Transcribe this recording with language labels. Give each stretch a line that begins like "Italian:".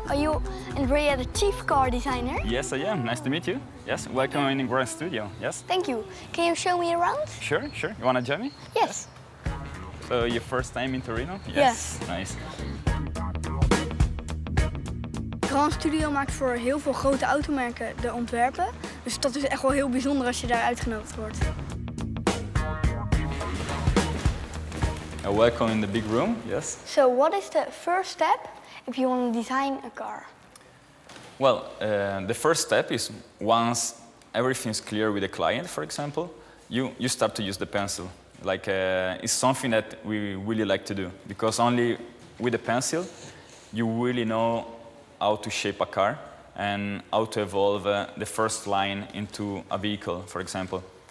English: Are you Andrea, the chief car designer? Yes, I am. Nice to meet you. Yes, welcome in Grand Studio. Yes. Thank you. Can you show me around? Sure, sure. You want to join me? Yes. So, your first time in Torino? Yes. Nice.
Dutch: Grand Studio maakt voor heel veel grote automerken de ontwerpen. Dus dat is echt wel heel bijzonder als je daar uitgenodigd wordt.
English: Welcome in the big room, yes. So what is the first step if you want to design a car? Well, the first step is once everything's clear with the client, for example, you start to use the pencil. Like it's something that we really like to do. Because only with the pencil, you really know how to shape a car and how to evolve the first line into a vehicle, for example.